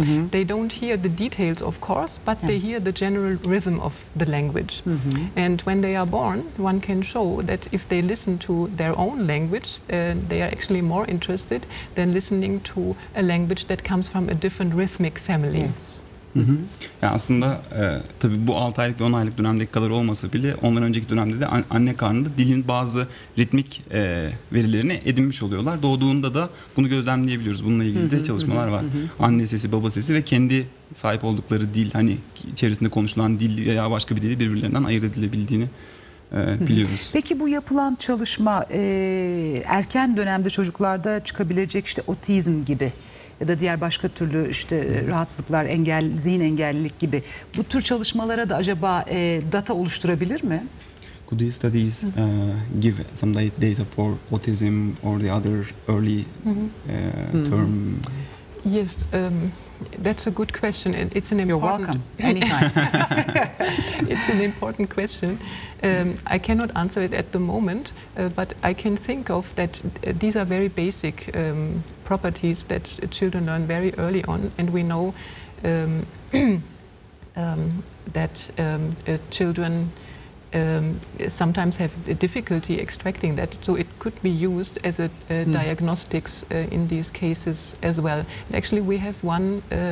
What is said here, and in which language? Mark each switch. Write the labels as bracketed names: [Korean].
[English] They don't hear the details, of course, but they hear the general rhythm of the language. And when they are born, one can show that if they listen to their own language, they are actually more interested than listening to a language that comes from a different rhythmic family. Yes. [Turkish] Yani aslında tabii bu 6 aylık ve 10 aylık dönemdeki kadar olmasa bile ondan önceki dönemde de anne karnında dilin bazı ritmik verilerini edinmiş oluyorlar. Doğduğunda da bunu gözlemleyebiliyoruz. Bununla ilgili de çalışmalar var. Anne sesi, baba sesi ve kendi sahip oldukları dil, hani içerisinde konuşulan dil veya başka bir dili birbirlerinden ayırt edilebildiğini biliyoruz. Peki bu yapılan çalışma erken dönemde çocuklarda çıkabilecek işte otizm gibi ya da diğer başka türlü işte rahatsızlıklar, engel, zihin engellilik gibi bu tür çalışmalara da acaba data oluşturabilir mi? [English] Could these studies give some data for autism or the other early term? Yes, that's a good question and it's an important. You're welcome anytime. It's an important question. I cannot answer it at the moment, but I can think of that these are very basic properties that children learn very early on, and we know that children sometimes have difficulty extracting that, so it could be used as a diagnostics in these cases as well. And actually, we have one